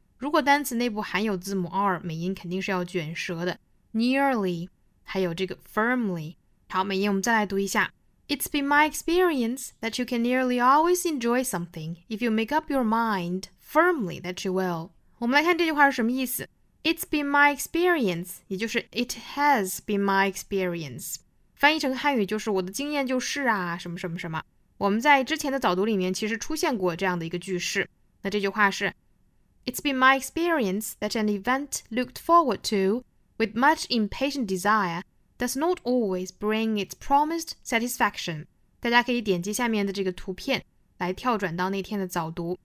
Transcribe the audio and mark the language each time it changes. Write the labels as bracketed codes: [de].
[zh] 如果单词内部含有字母 R, 美音肯定是要卷舌的。 Nearly, 还有这个 firmly。好，美音我们再来读一下。 [en] It's been my experience that you can nearly always enjoy something if you make up your mind firmly that you will. [zh] 我们来看这句话是什么意思。 [en] It's been my experience, 也就是 It has been my experience. [zh] 翻译成汉语就是我的经验就是啊什么什么什么。我们在之前的早读里面其实出现过这样的一个句式。那这句话是 [en] It's been my experience that an event looked forward to with much impatient desire does not always bring its promised satisfaction. [zh] 大家可以点击下面的这个图片来跳转到那天的早读。